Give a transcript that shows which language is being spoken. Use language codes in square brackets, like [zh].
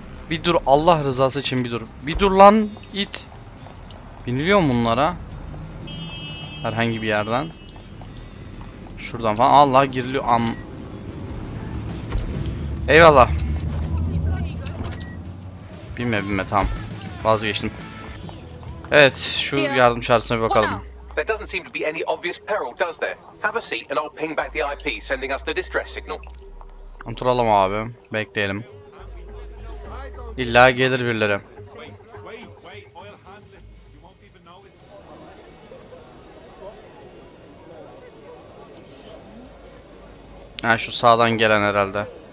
[tr] Bir dur, Allah rızası için bir dur. Bir dur lan it. Biniliyor mu bunlara? Herhangi bir yerden. Şuradan falan, Allah giriliyor. Eyvallah. Binme binme, tamam. Vazgeçtim. Evet, şu yardım çağrısına bir bakalım. [en] There doesn't seem to be any obvious peril, does there? Have a seat and I'll ping back the IP sending us the distress signal. [tr] Oturalım abi, bekleyelim. İlla gelir birileri. Ha, şu sağdan gelen herhalde.